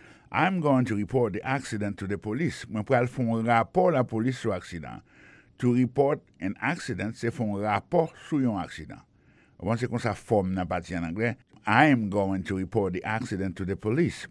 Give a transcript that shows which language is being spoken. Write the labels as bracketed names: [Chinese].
[English] I'm going to report the accident to the police. [French] Moi, je vais faire un rapport à la police sur l'accident. [English] To report an accident, [French] c'est faire un rapport sur un accident. On pense qu'on s'informe dans la partie en anglais. [English] I am going to report the accident to the police.